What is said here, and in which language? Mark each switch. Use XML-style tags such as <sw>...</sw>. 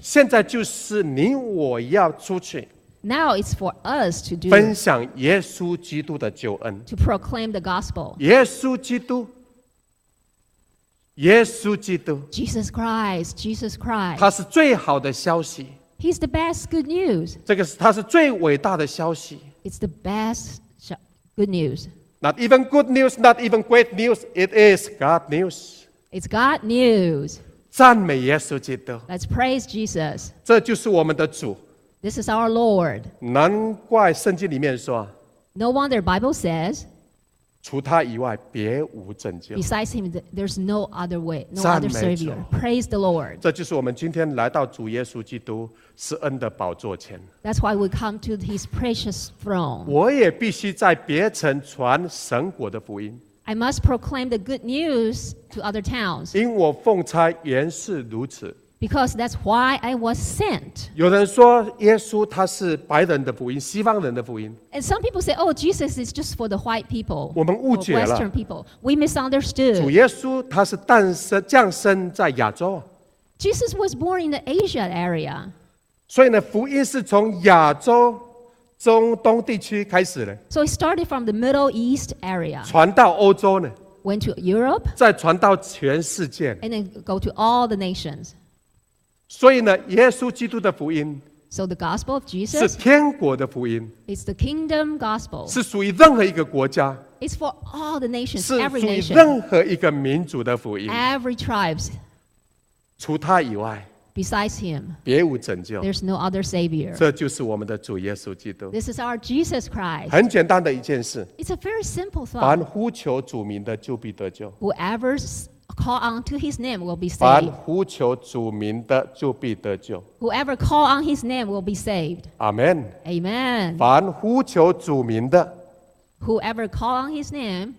<zh>现在就是你我要出去。</zh> <en>Now it's for us to do.</en> <zh>分享耶稣基督的救恩。</zh> <en>To proclaim the gospel.</en> <zh>耶稣基督。耶稣基督。</zh> <en>Jesus Christ, Jesus Christ.</en> <zh>他是最好的消息。</zh> <en>He's the best good news.</en> <zh>这个是他是最伟大的消息。</zh> <en>It's the best good news. Not even good news, not even great news. It is God news. It's God news.</en> <zh>赞美耶稣基督。</zh> <en>Let's praise Jesus.</en> <zh>这就是我们的主。</zh> <en>This is our Lord.</en> <zh>难怪圣经里面说。</zh> <en>No wonder Bible says.</en> <zh>除他以外，别无拯救。</zh> <en>Besides him, there's no other way, no other savior. Praise the Lord.</en> <zh>这就是我们今天来到主耶稣基督施恩的宝座前。</zh> <en>That's why we come to His precious throne.</en> <zh>我也必须在别城传神国的福音。</zh> <en>I must proclaim the good news to other towns.</en> <zh>因我奉差原是如此。</zh> <en>Because that's why I was sent.</en> <zh>有人说耶稣他是白人的福音，西方人的福音。</zh> <en>And some people say, "Oh, Jesus is just for the white people."</en> <zh>我们误解了。</zh> <en>Western people, we misunderstood.</en> <zh>主耶稣他是诞生降生在亚洲。</zh> <en>Jesus was born in the Asia area.</en> <zh>所以呢，福音是从亚洲中东地区开始的。</zh> <en>So it started from the Middle East area.</en> <zh>传到欧洲呢</zh> <en>？Went to Europe.</en> <zh>再传到全世界。</zh> <en>And then go to all the nations.</en> <zh>所以呢，耶稣基督的福音</zh> <en>，So the gospel of Jesus</en> <zh>是天国的福音</zh> <en>，It's the kingdom gospel</en> <zh>是属于任何一个国家</zh> <en>，It's for all the nations</en> <zh>是属于任何一个民族的福音</zh> <en>，Every tribes</en> <zh>除他以外</zh> <en>，Besides him</en> <zh>别无拯救</zh> <en>，There's no other savior</en> <zh>这就是我们的主耶稣基督</zh> <en>，This is our Jesus Christ</en> <zh>很简单的一件事</zh> <en>，It's a very simple thought</en> <zh>凡呼求主名的就必得救</zh> <en>，Whoever'sCall on to his name will be saved.</en> <zh>凡呼求主名的就必得救。</zh> <en>Whoever call on his name will be saved. Amen. Amen.</en> <zh>凡呼求主名的。</zh> <en>Whoever call on his name.</en>